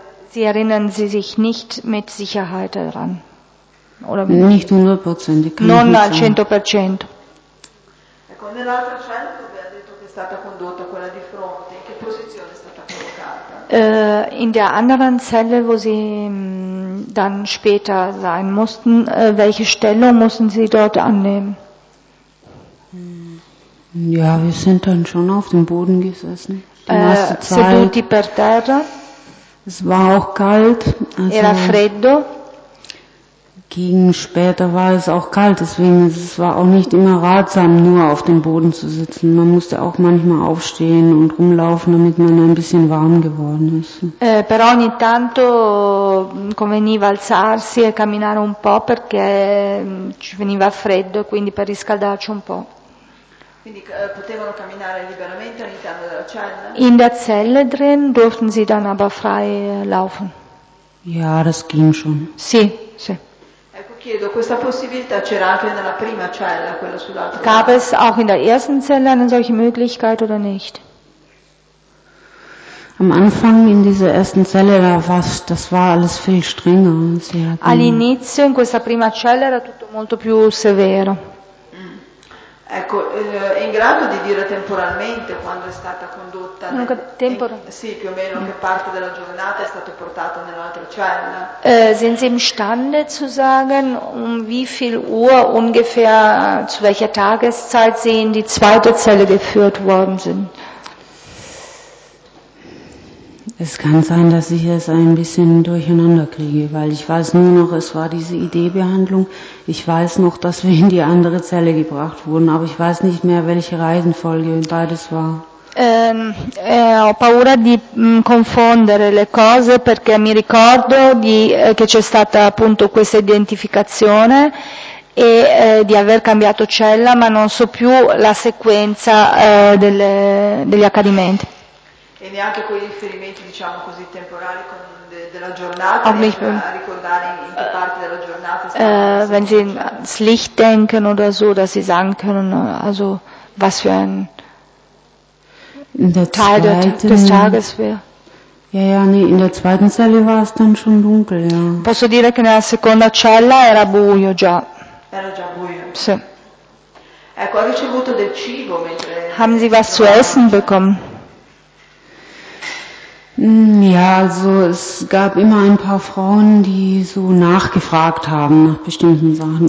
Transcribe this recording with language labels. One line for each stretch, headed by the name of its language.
German: Sie erinnern Sie sich nicht mit Sicherheit daran? Oder mit nicht 100%, ich kann
Italian: non
German: nicht
Italian: al 100%. Ecco, nell'altra cella dove ha detto che è stata condotta quella di fronte, in che posizione è stata collocata?
German: In der anderen Zelle, wo Sie dann später sein mussten, welche Stellung mussten Sie dort annehmen? Ja, wir sind dann schon auf dem Boden gesessen.
Italian: Seduti per terra.
German: Es war auch kalt.
Italian: Also era freddo.
German: Gegen später war es auch kalt, deswegen es war auch nicht immer ratsam, nur auf dem Boden zu sitzen. Man musste auch manchmal aufstehen und rumlaufen, damit man ein bisschen warm geworden ist.
Italian: Però ogni tanto conveniva alzarsi e camminare un po' perché ci veniva freddo, quindi per riscaldarci un po'. Quindi potevano camminare liberamente all'interno della cella?
German: In der Zelle drin durften sie dann aber frei laufen. Ja, das ging schon.
Italian: Sì, sì. Ecco, chiedo, questa possibilità c'era anche nella prima cella, quella sull'altro lato?
German: Gab es auch in der ersten Zelle eine solche Möglichkeit oder nicht? Am Anfang in dieser ersten Zelle, da war das war alles viel strenger.
Italian: All'inizio in questa prima cella era tutto molto più severo. Ecco, è in grado di dire temporalmente quando è stata condotta? Dunque, sì, più o meno che parte della giornata è stato portato nell'altra cella?
German: Sind Sie imstande zu sagen, wie viel Uhr ungefähr, zu welcher Tageszeit Sie in die zweite Zelle geführt worden sind? Es kann sein, dass ich es ein bisschen durcheinander kriege, weil ich weiß nur noch, es war diese ID-Behandlung. Ich weiß noch, dass wir in die andere Zelle gebracht wurden, aber ich weiß nicht mehr, welche Reihenfolge beides war.
Italian: Ho paura di confondere le cose perché mi ricordo che c'è stata appunto questa identificazione e di aver cambiato cella, ma non so più la sequenza degli accadimenti. E neanche quei riferimenti, diciamo così, temporali della giornata, a ricordare in che parte della giornata.
German: Wenn Sie ans Licht denken oder so, dass Sie sagen können, also was für ein Teil des Tages wäre. Ja, ja, nee, in der zweiten Zelle war es dann schon dunkel, ja.
Italian: Posso dire che nella seconda cella era buio già. Era già buio. Sì. Ecco, ha ricevuto del cibo mentre...
German: Haben Sie was zu essen bekommen? Ja, also es gab immer ein paar Frauen, die so nachgefragt haben nach bestimmten Sachen.